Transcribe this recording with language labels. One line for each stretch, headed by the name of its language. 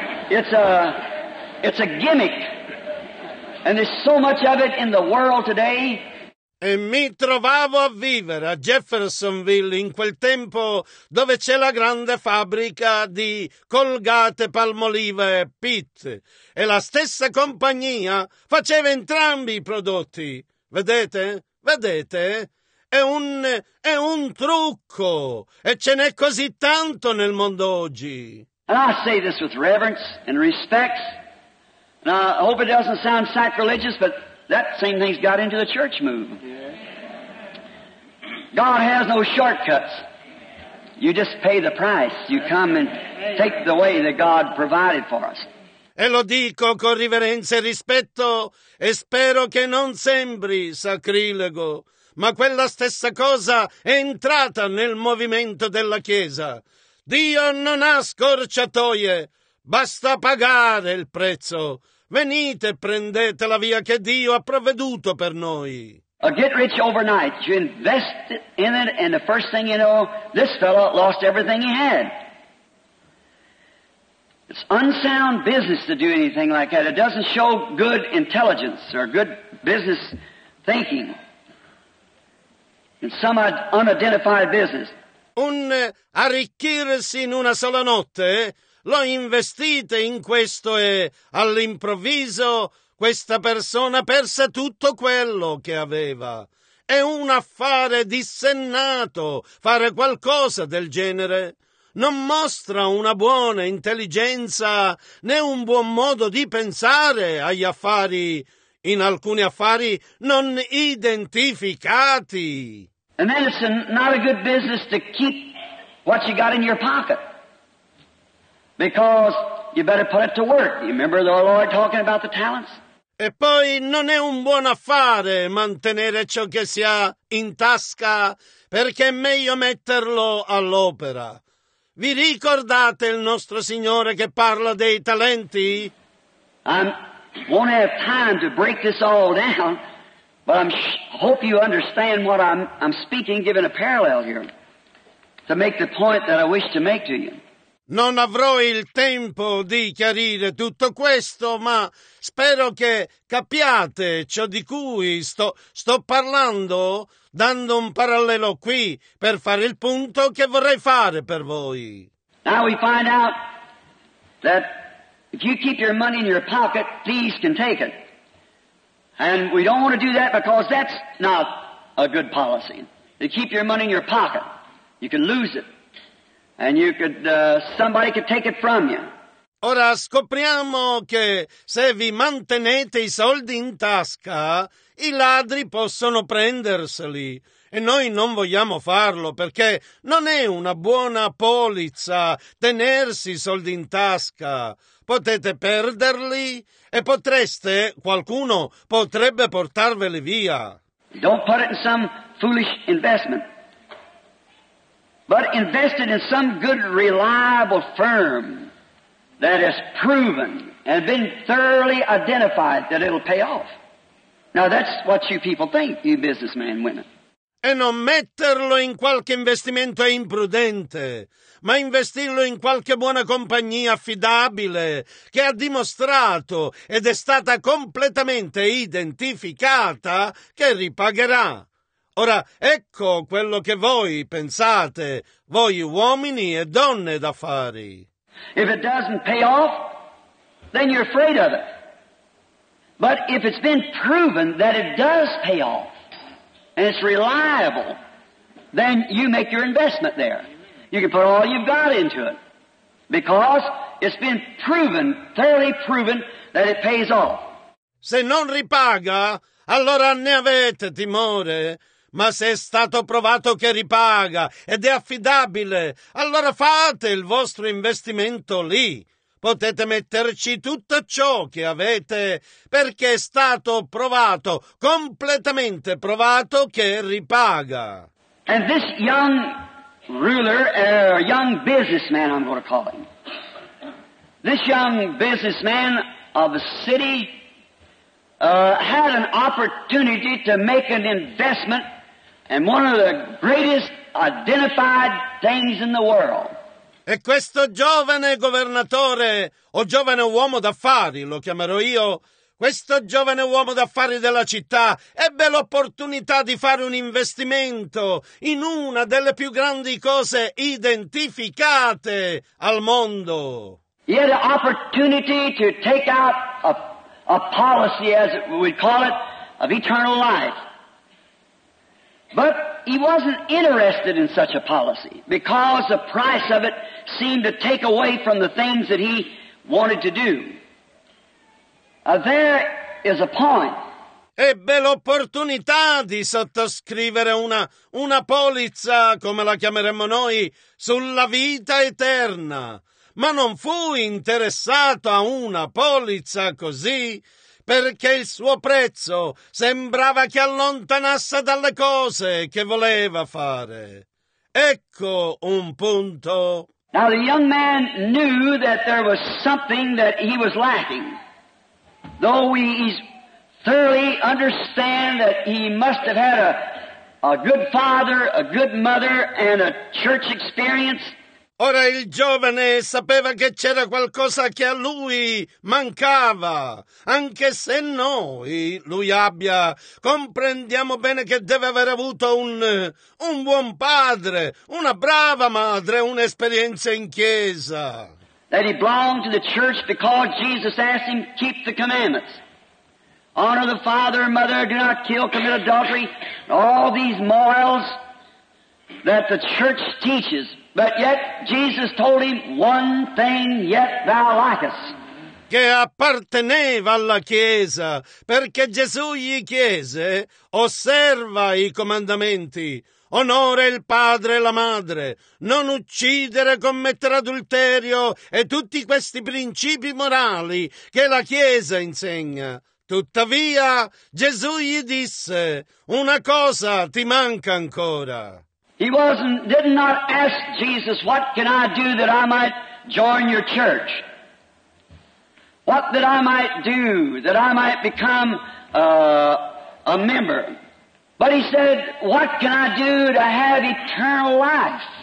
English: It's a gimmick. And there's so much of it in the world today.
Italian: E mi trovavo a vivere a Jeffersonville in quel tempo dove c'è la grande fabbrica di Colgate Palmolive Peat. E la stessa compagnia faceva entrambi i prodotti. Vedete? Vedete? È un trucco. E ce n'è così tanto nel mondo oggi.
English: And I say this with reverence and respect. Now, I hope it doesn't sound sacrilegious, but that same thing's got into the church move. God has no shortcuts. You just pay the price. You come and take the way that God provided for us.
Italian: E lo dico con riverenza e rispetto, e spero che non sembri sacrilego, ma quella stessa cosa è entrata nel movimento della Chiesa. Dio non ha scorciatoie, basta pagare il prezzo. Venite, prendete la via che Dio ha provveduto per noi.
English: A get rich overnight, you invest in it, and the first thing you know, this fellow lost everything he had. It's unsound business to do anything like that. It doesn't show good intelligence or good business thinking. It's some unidentified business.
Italian: Un arricchirsi in una sola notte, lo investite in questo e all'improvviso questa persona perse tutto quello che aveva. È un affare dissennato fare qualcosa del genere. Non mostra una buona intelligenza né un buon modo di pensare agli affari, in alcuni affari non identificati.
English: And then it's not a good business to keep what you got in your pocket, because you better put it to work. You remember the Lord talking about the talents?
Italian: E poi non è un buon affare mantenere ciò che si ha in tasca, perché è meglio metterlo all'opera. Vi ricordate il nostro Signore che parla dei talenti?
English: I won't have time to break this all down, but I hope you understand what I'm speaking, giving a parallel here, to make the point that I wish to make to you.
Italian: Non avrò il tempo di chiarire tutto questo, ma spero che capiate ciò di cui sto parlando, dando un parallelo qui per fare il punto che vorrei fare per voi.
English: Now we find out that if you keep your money in your pocket, thieves can take it. And we don't want to do that because that's not a good policy. To keep your money in your pocket, you can lose it. And you could somebody could take it from you.
Italian: Ora scopriamo che se vi mantenete i soldi in tasca, i ladri possono prenderseli. E noi non vogliamo farlo perché non è una buona polizza tenersi i soldi in tasca. Potete perderli e potreste, qualcuno potrebbe portarveli via.
English: Don't put it in some foolish investment. But invested in some good, reliable firm that has proven and been thoroughly identified that it'll pay off. Now that's what you people think, you businessmen and women.
Italian: E non metterlo in qualche investimento è imprudente, ma investirlo in qualche buona compagnia affidabile che ha dimostrato ed è stata completamente identificata che ripagherà. Ora, ecco quello che voi pensate, voi uomini e donne d'affari.
English: If it doesn't pay off, then you're afraid of it. But if it's been proven that it does pay off, and it's reliable, then you make your investment there. You can put all you've got into it, because it's been proven, thoroughly proven, that it pays off.
Italian: Se non ripaga, allora ne avete timore. Ma se è stato provato che ripaga ed è affidabile, allora fate il vostro investimento lì. Potete metterci tutto ciò che avete, perché è stato provato, completamente provato che ripaga.
English: And this young ruler, young businessman, I'm going to call him. This young businessman of the city had an opportunity to make an investment, and one of the greatest identified things in the world.
Italian: E questo giovane governatore, o giovane uomo d'affari, lo chiamerò io, questo giovane uomo d'affari della città ebbe l'opportunità di fare un investimento in una delle più grandi cose identificate al mondo.
English: He had the opportunity to take out a policy, as we call it, of eternal life. But he wasn't interested in such a policy because the price of it seemed to take away from the things that he wanted to do. There is a point.
Italian: Ebbe l'opportunità di sottoscrivere una polizza, come la chiameremmo noi, sulla vita eterna, ma non fu interessato a una polizza così, perché il suo prezzo sembrava che allontanasse dalle cose che voleva fare. Ecco un punto.
English: Now the young man knew that there was something that he was lacking. Though we thoroughly understand that he must have had a good father, a good mother, and a church experience.
Italian: Ora il giovane sapeva che c'era qualcosa che a lui mancava, anche se noi lui abbia. Comprendiamo bene che deve aver avuto un buon padre, una brava madre, un'esperienza in chiesa.
English: That he belonged to the church because Jesus asked him, keep the commandments. Honor the father and mother, do not kill, commit adultery. All these morals that the church teaches. But yet Jesus told him one thing yet thou lackest.
Italian: Che apparteneva alla Chiesa, perché Gesù gli chiese, osserva i comandamenti, onore il padre e la madre, non uccidere, commettere adulterio e tutti questi principi morali che la Chiesa insegna. Tuttavia Gesù gli disse, una cosa ti manca ancora.
English: He wasn't, did not ask Jesus, what can I do that I might join your church? What that I might do that I might become a member? But he said, what can I do to have eternal life?